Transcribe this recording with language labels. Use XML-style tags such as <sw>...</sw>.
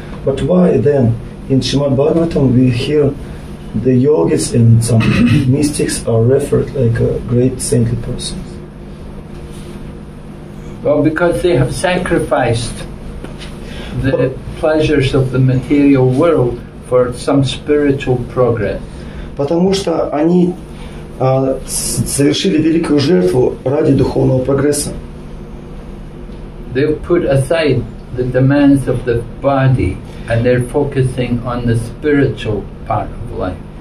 <en>But why then in Srimad Bhagavatam we hear the yogis and some mystics are referred like a great saintly person? Well, because they have sacrificed the pleasures of the material world for some spiritual progress.</en> <ru>Потому что они совершили великую жертву ради духовного прогресса.</ru> <en>They've put aside the demands of the body and they're focusing on the spiritual part of life.</en>